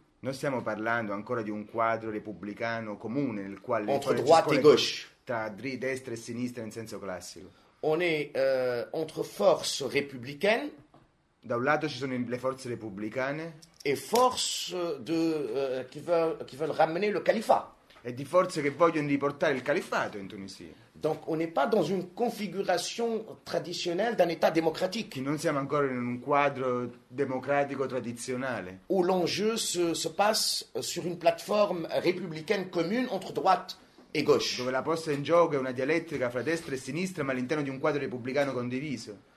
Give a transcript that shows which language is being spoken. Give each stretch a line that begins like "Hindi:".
Italian: Non stiamo parlando ancora di un quadro repubblicano comune nel quale
French: entre droite e gauche
Italian: tra destra e sinistra in senso classico.
French: On est entre forces républicaines.
Italian: Da un lato ci sono le forze repubblicane
French: et forces de qui veulent ramener le califat.
Italian: E di forze che vogliono riportare il califfato in Tunisia.
French: Donc on n'est pas dans une configuration traditionnelle d'un état démocratique.
Italian: Non siamo ancora in un quadro democratico tradizionale.
French: Où l'enjeu se passe sur une plateforme républicaine commune entre droite et gauche.
Italian: Dove la posta in gioco è una dialettica fra destra e sinistra, ma all'interno di un quadro repubblicano condiviso.